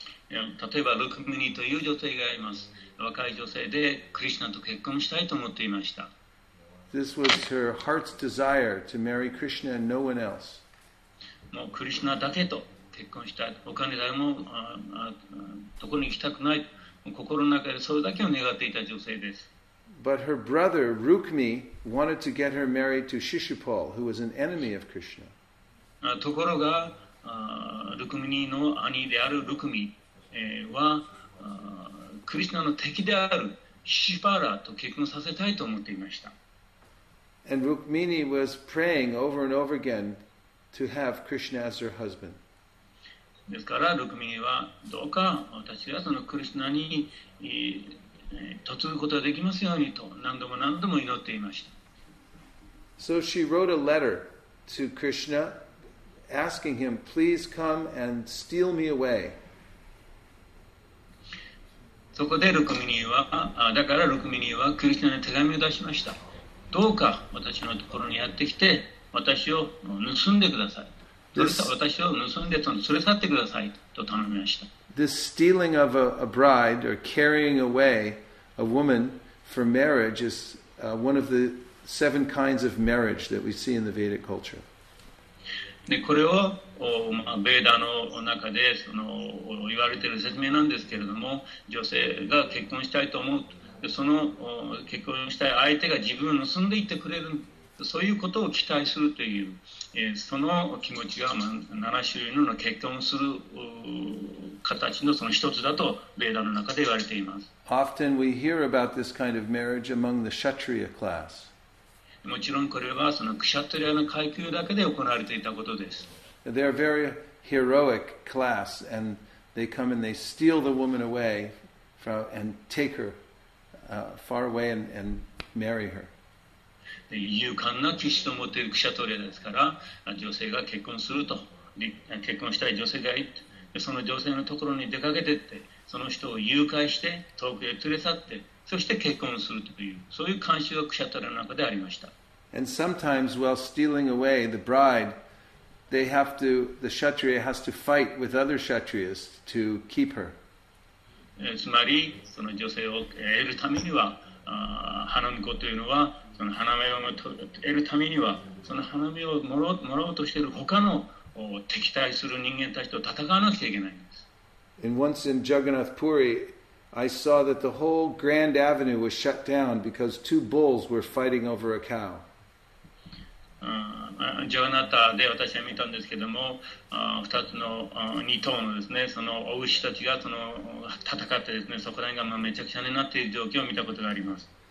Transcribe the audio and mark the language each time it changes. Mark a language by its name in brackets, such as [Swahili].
[Japanese] 例えば、ルクミニという女性がいます。若い女性でクリシナと結婚したいと思っていました。 [English] This was her heart's desire to marry Krishna and no one else. [Japanese] もうクリシュナだけと結婚したい。他に誰もどこに行きたくない。心の中でそれだけを願っていた女性です。 [English] But her brother Rukmi wanted to get her married to Shishupal, who was an enemy of Krishna. [Japanese] ところが、Rukmini の兄である Rukmi は、Krishna の敵である Shishupala と結婚させたいと思っていました。 [English] And Rukmini was praying over and over again to have Krishna as her husband. [Japanese] ですから、Rukmini はどうか私がその Krishna に嫁ぐことができますようにと何度も何度も祈っていました。 [English] So she wrote a letter to Krishna asking him, please come and steal me away. [Japanese] そこでルクミニーは、だからルクミニーはクリシナに手紙を出しました。どうか私のところにやってきて、私を盗んでください。私を盗んで連れ去ってくださいと頼みました。 [English] This stealing of a bride or carrying away a woman for marriage is one of the seven kinds of marriage that we see in the Vedic culture. [Japanese] で、これを、まあ、ベーダの中でその言われている説明なんですけれども、女性が結婚したいと思う、でその結婚したい相手が自分を盗んでいってくれる、そういうことを期待するという、その気持ちが、まあ、7種類の結婚する形のその一つだとベーダの中で言われています。 [English] Often we hear about this kind of marriage among the Kshatriya class. [Japanese] もちろんこれはそのクシャトリアの階級だけで行われていたことです。 [English] They are very heroic class and they come and they steal the woman away from, and take her far away and marry her. [Japanese] 勇敢な騎士と持っているクシャトリアですから、女性が結婚すると結婚したい女性がいて、その女性のところに出かけてって、その人を誘拐して遠くへ連れ去って、そして結婚するという、そういう慣習がクシャトラの中でありました。 [English] And sometimes while stealing away the bride, the Kshatriya has to fight with other Kshatriyas to keep her. [Japanese] つまり、その女性を得るためには、花婿というのは、その花嫁を得るためには、その花嫁をもらおうとしている他の敵対する人間たちと戦わなきゃいけないんです。 [English] And once in Jagannath Puri, I saw that the whole Grand Avenue was shut down because two bulls were fighting over a cow. [Japanese] ジャガナタで私は見たんですけども、2頭のですね、そのお牛たちがその戦ってですね、そこら辺がまあめちゃくちゃになっている状況を見たことがあります。